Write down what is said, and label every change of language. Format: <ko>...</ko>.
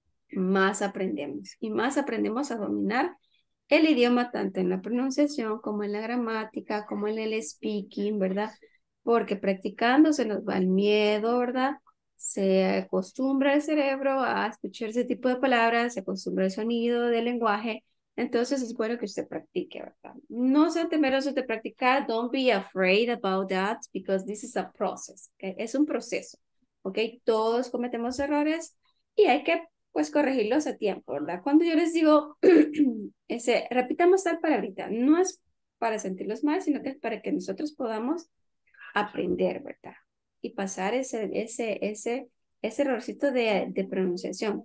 <es>más aprendemos. Y más aprendemos a dominar el idioma, tanto en la pronunciación como en la gramática, como en el speaking, ¿verdad? Porque practicando se nos va el miedo, ¿verdad? Se acostumbra el cerebro a escuchar ese tipo de palabras, se acostumbra el sonido del lenguaje. Entonces es bueno que usted practique, ¿verdad? No sea temeroso de practicar.</es> <en>Don't be afraid about that because this is a process.</en> <es>¿Okay? Es un proceso, ¿ok? Todos cometemos errores y hay que, pues, corregirlos a tiempo, ¿verdad? Cuando yo les digo, ese, repitamos tal palabrita, no es para sentirlos mal, sino que es para que nosotros podamos aprender, ¿verdad? Y pasar ese errorcito de pronunciación.</es>